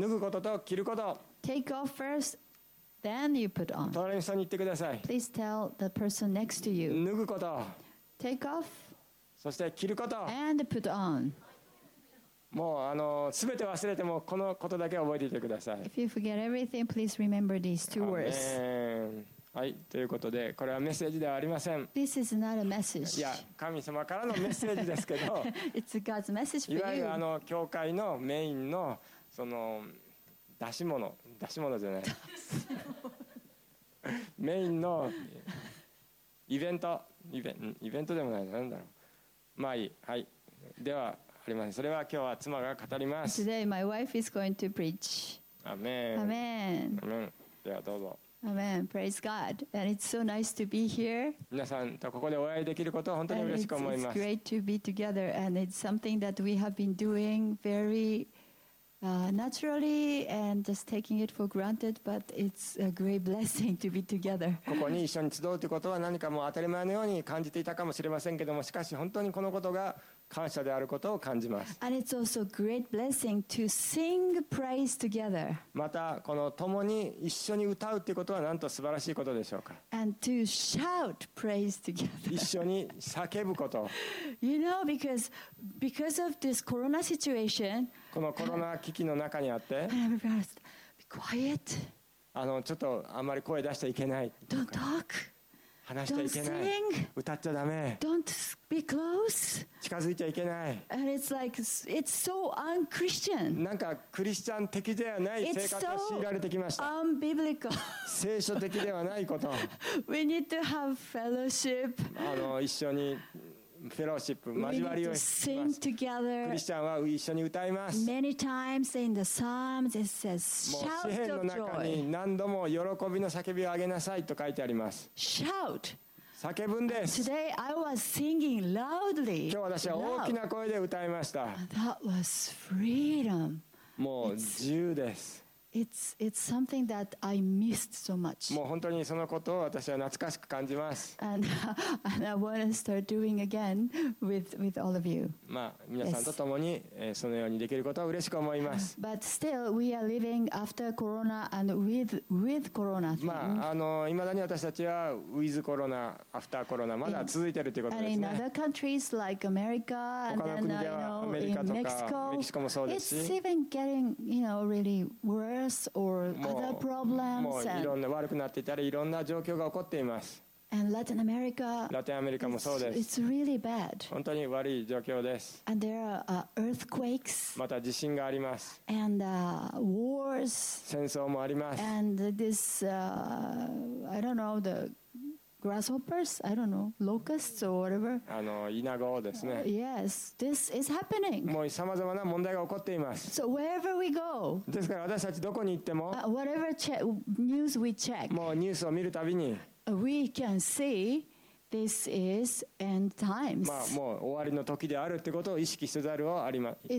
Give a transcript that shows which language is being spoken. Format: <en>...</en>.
<ja>脱ぐことと切ること。</ja> <en>Take off first, then you put on.</en> <ja>隣の人に言ってください。</ja> <en>Please tell the person next to you.</en> <ja>脱ぐこと。</ja> <en>Take off.</en> <ja>そして切ること。</ja> <en>And put on.</en> <ja>もう全て忘れてもこのことだけは覚えていてください。</ja> <en>If you forget everything, please remember these two words.</en> <ja>はい、ということでこれはメッセージではありません。</ja> <en>This is not a message.</en> <ja>いや、神様からのメッセージですけど</ja> <en>It's God's message for you.</en> <ja>いわゆる教会のメインのその出し物、出し物じゃない。メインのイベント、イベントでもない、なんだろう。まあいい、はい。ではありません。それは今日は妻が語ります。</ja> <en>Today my wife is going to preach. Amen. Amen.</en> <ja>Amen. ではどうぞ。</ja> <en>Amen. Praise God. And it's so nice to be here.</en> <ja>皆さんとここでお会いできることを本当に嬉しく思います。</ja> <en>It's great to be together. And it's something that we have been doing very naturally and just taking it for granted. But it's a great blessing to be together.</en> <ja>ここに一緒に集うということは何かもう当たり前のように感じていたかもしれませんけども、しかし本当にこのことが感謝であることを感じます。</ja> <en>And it's also a great blessing to sing praise together.</en> <ja>またこの共に一緒に歌うっていうことはなんと素晴らしいことでしょうか。</ja> <en>And to shout praise together.</en> <ja>一緒に叫ぶこと。</ja> <en>You know, because of this corona situation,</en> <ja>このコロナ危機の中にあって</ja> <en>I'm embarrassed. Be quiet.</en> <ja>あのちょっとあんまり声出していけない。</ja> <en>Don't talk.</en> <ja>話してはいけない。</ja> <en>Don't sing.</en> <ja>歌っちゃダメ。</ja> <en>Don't be close.</en> <ja>近づいちゃいけない。</ja> <en>And it's like, it's so un-Christian.</en> <ja>なんかクリスチャン的ではない生活が強いられてきました。</ja> <en>It's so un-biblical.</en> <ja>聖書的ではないこと。</ja> <en>We need to have fellowship.</en> <ja>一緒にフェローシップ交わりをします。クリスチャンは一緒に歌います。</ja> <en>Many times in the Psalms it says, shout of joy.</en> <ja>もう詩篇の中に何度も喜びの叫びをあげなさいと書いてあります。</ja> <en>Shout.</en> <ja>叫ぶんです。</ja> <en>Today I was singing loudly.</en> <ja>今日私は大きな声で歌いました。</ja> <en>That was freedom.</en> <ja>もう自由です。</ja> <en>It's something that I missed so much.</en> <ja>もう本当にそのことを私は懐かしく感じます。</ja> <en>And I want to start doing again with all of you.</en> <ja>まあ皆さんと共に、</ja> <en>yes.</en> <ja>そのようにできることを嬉しく思います。</ja> <en>But still, we are living after Corona and with Corona.</en> <ja>まあ未だに私たちは</ja> <en>with Corona, after Corona</en> <ja>まだ続いているということですね。</ja> <en>And in other countries like America and then I know in Mexico,</en> <ja>メキシコもそうですし、</ja> <en>it's even getting really worse. Or other problems</en> <ja>もういろんな悪くなっていたり、いろんな状況が起こっています。</ja> <en>And Latin America,</en> <ja>ラテンアメリカもそうです。</ja> <en>It's really bad.</en> <ja>本当に悪い状況です。</ja> <en>And there are earthquakes.</en> <ja>また地震があります。</ja> <en>And wars.</en> <ja>戦争もあります。</ja> <en>And this, I don't know, the grasshoppers, I don't know, locusts or whatever.</en> <ja>イナゴですね。</ja> <en>Yes, this is happening.</en> <ja>もう様々な問題が起こっています。</ja> <en>So wherever we go,</en> <ja>ですから私たちどこに行っても、</ja> <en>whatever news we check,</en> <ja>もうニュースを見るたびに、</ja> <en>we can see this is end times.</en> <ja>まあもう終わりの時であるってことを意識せざるをありません。</ja>